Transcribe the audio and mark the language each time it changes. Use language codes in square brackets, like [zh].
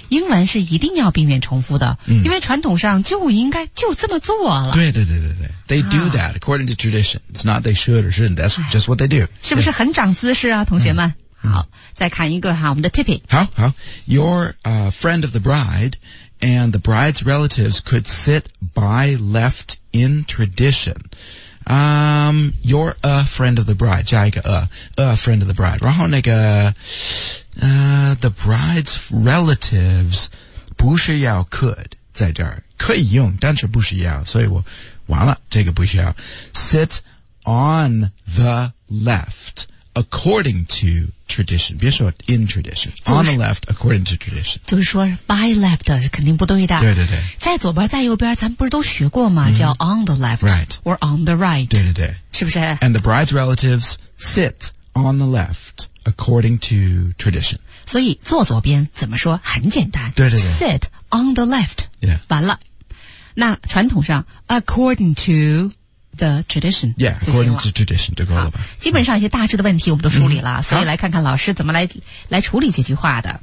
[zh] 英文是一定要避免重复的、嗯、因为传统上就应该就这么做了。 [en] 对。They do that according to tradition. It's not they should or shouldn't. That's just what they do. [zh] 是不是很长姿势啊同学们、嗯、好再看一个哈我们的 Tippy。好。 [en] You're a friend of the bride, and the bride's relatives could sit by left in tradition. You're a friend of the bride. [zh] 加一个 [en] a friend of the bride. [zh] 然后那个the bride's relatives 不需要 could 在这儿可以用但是不需要所以我完了这个不需要 [en] sit on the left according to tradition [zh] 别说 [en] in tradition、 [zh] 就是、 [en] on the left according to tradition [zh] 就是说 [en] by left [zh] 是肯定不对的对在左边在右边咱们不是都学过吗、嗯、叫 [en] on the left、 right. or on the right [zh] 对是不是 [en] and the bride's relatives sit on the leftAccording to tradition. [zh] 所以坐左边怎么说很简单。对。 [en] Sit on the left.、 Yeah. [zh] 完了。那传统上 [en] according to the tradition. Yeah, according to tradition, [zh] 就够了吧。基本上一些大致的问题我们都梳理了、嗯、所以来看看老师怎么来处理这句话的。